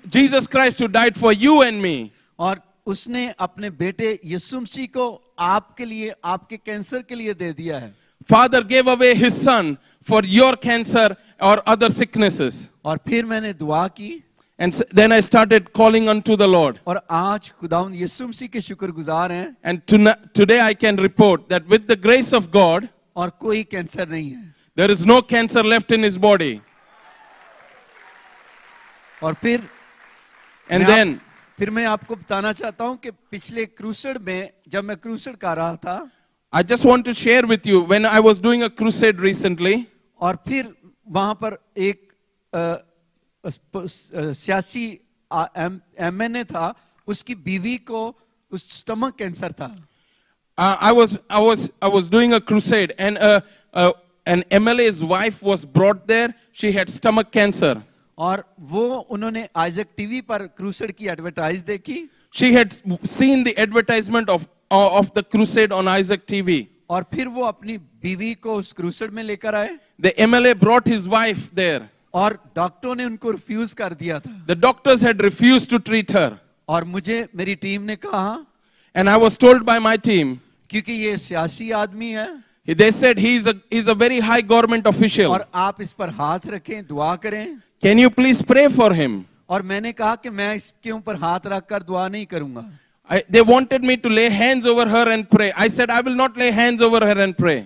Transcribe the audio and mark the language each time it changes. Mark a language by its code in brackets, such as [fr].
[en] Jesus Christ who died for you and me. [hi] और उसने अपने बेटे यीशु मसीह को आपके लिए आपके कैंसर के लिए दे दिया है. [en] Father gave away his son for your cancer or other sicknesses. [hi] और फिर मैंने दुआ की. [en] And then I started calling unto the Lord. [hi] और आज खुदावन यीशु मसीह के शुक्रगुजार हैं. [en] And today I can report that with the grace of God, [hi] और कोई कैंसर नहीं है. [en] There is no cancer left in his body. [hi] और फिर [en] And then [hi] फिर मैं आपको बताना चाहता हूं कि पिछले क्रूसेड में जब मैं क्रूसेड कर रहा था, [en] I just want to share with you when I was doing a crusade recently. [hi] और फिर वहां पर एक सियासी एमएनए था, उसकी बीवी को उस स्टमक कैंसर था. [en] I was doing a crusade and an MLA's wife was brought there. She had stomach cancer. [hi] और वो उन्होंने आइजक टीवी पर क्रूसेड की एडवर्टाइज देखी. [en] She had seen the advertisement of the crusade on Isaac TV. [hi] और फिर वो अपनी बीवी को उस क्रूसेड में लेकर आए. [en] The MLA brought his wife there. [hi] और डॉक्टर ने उनको रिफ्यूज कर दिया था. [en] The doctors had refused to treat her. [hi] और मुझे मेरी टीम ने कहा, [en] and I was told by my team, [hi] क्योंकि ये सियासी आदमी है, [en] they said he is a very high government official, [hi] और आप इस पर हाथ रखें, दुआ करें. [en] Can you please pray for him? [hi] और मैंने कहा कि मैं इसके ऊपर हाथ रखकर दुआ नहीं करूंगा. [en] They wanted me to lay hands over her and pray. I said I will not lay hands over her and pray.